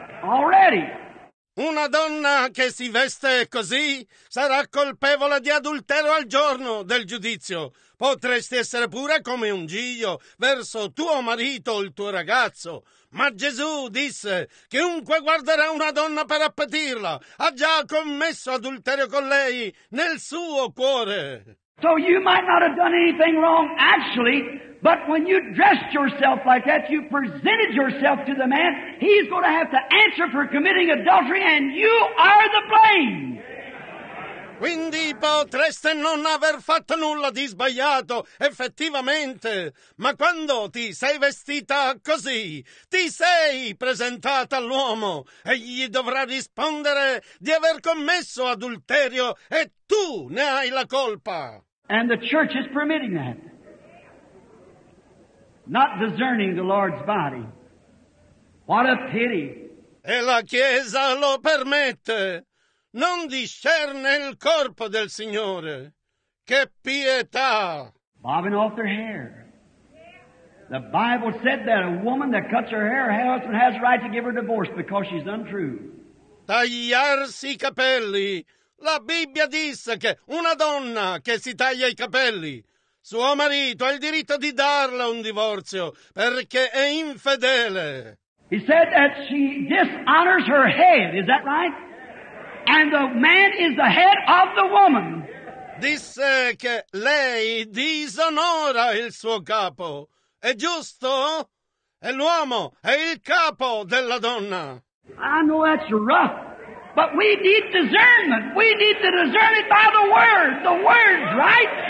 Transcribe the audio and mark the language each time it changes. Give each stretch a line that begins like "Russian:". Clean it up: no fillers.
English: already.
Italian: Una donna che si veste così sarà colpevole di adulterio al giorno del giudizio. Potresti essere pure come un giglio verso tuo marito o il tuo ragazzo. Ma Gesù disse: chiunque guarderà una donna per appetirla ha già commesso adulterio con lei nel suo cuore.
English: So you might not have done anything wrong actually, but when you dressed yourself like that, you presented yourself to the man, he's going to have to answer for committing adultery, and you are the blame.
Italian: Quindi potreste non aver fatto nulla di sbagliato, effettivamente, ma quando ti sei vestita così, ti sei presentata all'uomo e gli dovrà rispondere di aver commesso adulterio e tu ne hai la colpa.
English: And the church is permitting that. Not discerning the Lord's body. What a pity.
Italian: E la Chiesa lo permette. Non discerne il corpo del Signore. Che pietà!
English: Bobbing off their hair. The Bible said that a woman that cuts her hair, her husband has the right to give her divorce because she's untrue.
Italian: Tagliarsi i capelli. La Bibbia disse che una donna che si taglia i capelli, suo marito ha il diritto di darle un divorzio perché è infedele.
English: He said that she dishonors her head, is that right? And the man is the head of the woman.
Italian: Disse che lei disonora il suo capo. È giusto? E l'uomo è il capo della donna.
English: I know that's rough, but we need discernment. We need to discern it by the word. The word, right?